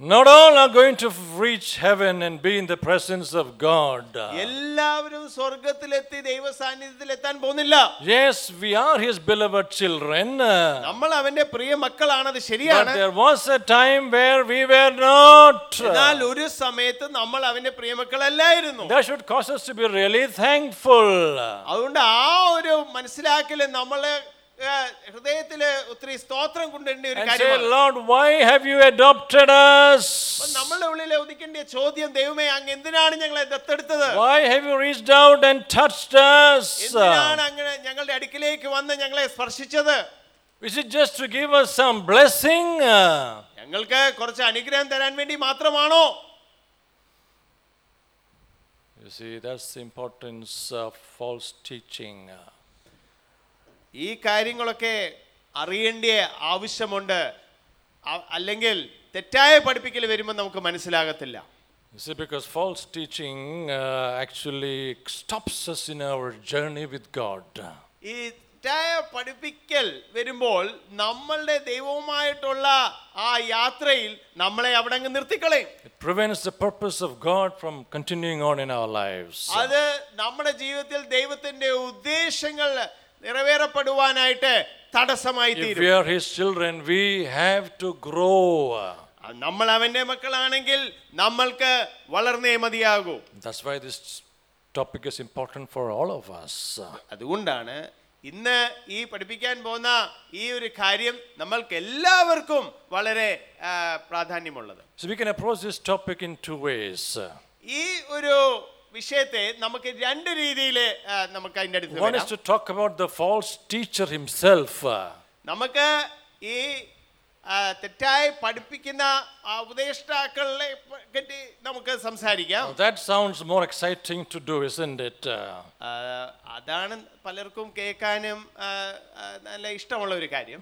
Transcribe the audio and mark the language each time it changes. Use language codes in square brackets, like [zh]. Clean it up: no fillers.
[en] Not all are going to reach heaven and be in the presence of God. [ml] എല്ലാവരും സ്വർഗത്തിലെത്തി ദൈവസാന്നിധ്യത്തിൽ എത്താൻ പോകുന്നില്ല. [en] Yes, we are his beloved children. [ml] നമ്മൾ അവന്റെ പ്രിയ മക്കളാണ്, അത് ശരിയാണ്. [en] But there was a time where we were not. [ml] എന്നാൽ ഒരു സമയത്ത് നമ്മൾ അവന്റെ പ്രിയ മക്കളല്ലായിരുന്നു. [en] That should cause us to be really thankful. [ml] അതുകൊണ്ട് ആ ഒരു മനസ്സിലാക്കല് നമ്മളെ ഹൃദയത്തില് ഒത്തിരി സ്തോത്രം കൊണ്ടിടേണ്ട നമ്മളുടെ ഉള്ളിൽ ഉദിക്കേണ്ട ചോദ്യം, ദൈവമേ അങ്ങ് എന്തിനാണ് ഞങ്ങളെ ദത്തെടുത്തത്? [en] Why have you reached out and touched us? [ml] അങ്ങനെ ഞങ്ങളുടെ അടുക്കിലേക്ക് വന്ന് ഞങ്ങളെ സ്പർശിച്ചത്? [en] Is it just to give us some blessing? [ml] ഞങ്ങൾക്ക് കുറച്ച് അനുഗ്രഹം തരാൻ വേണ്ടി മാത്രമാണോ? [en] You see, that's the importance of false teaching. [ml] ഈ കാര്യങ്ങളൊക്കെ അറിയേണ്ട ആവശ്യമുണ്ട്, അല്ലെങ്കിൽ തെറ്റായ പഠിപ്പിക്കൽ വരുമ്പോൾ നമുക്ക് മനസ്സിലാകത്തില്ല. [en] It's because false teaching actually stops us in our journey with God. [ml] ഈ തെറ്റായ പഠിപ്പിക്കൽ വരുമ്പോൾ നമ്മളുടെ ദൈവവുമായിട്ടുള്ള ആ യാത്രയിൽ നമ്മളെ അവിടെ അങ്ങ് നിർത്തിക്കളയും. [en] It prevents the purpose of God from continuing on in our lives. [ml] അത് നമ്മുടെ ജീവിതത്തിൽ ദൈവത്തിന്റെ ഉദ്ദേശങ്ങൾ നിറവേറപ്പെടുവാനായിട്ട് തടസ്സമായി തീരും. [en] We are his children, we have to grow. [ml] നമ്മൾ അവന്റെ മക്കളാണെങ്കിൽ നമ്മൾക്ക് വളർന്നേ മതിയാകൂ. [en] That's why this topic is important for all of us. [ml] അതുകൊണ്ടാണ് ഇന്ന് ഈ പഠിപ്പിക്കാൻ പോകുന്ന ഈ ഒരു കാര്യം നമ്മൾക്ക് എല്ലാവർക്കും വളരെ പ്രാധാന്യമുള്ളത്. [en] So we can approach this topic in 2 ways. [ml] ഈ ഒരു വിഷയത്തെ നമുക്ക് രണ്ട് രീതിയിൽ നമുക്ക് അതിന്റെ അടുത്ത് വരാം. [en] One is to talk about the false teacher himself. [ml] നമുക്ക് ഈ തെറ്റായി പഠിപ്പിക്കുന്ന ഉപദേഷ്ടാക്കളെ പറ്റി നമുക്ക് സംസാരിക്കാം. [en] That sounds more exciting to do, isn't it? [ml] അതാണ് പലർക്കും കേൾക്കാനും നല്ല ഇഷ്ടമുള്ള ഒരു കാര്യം.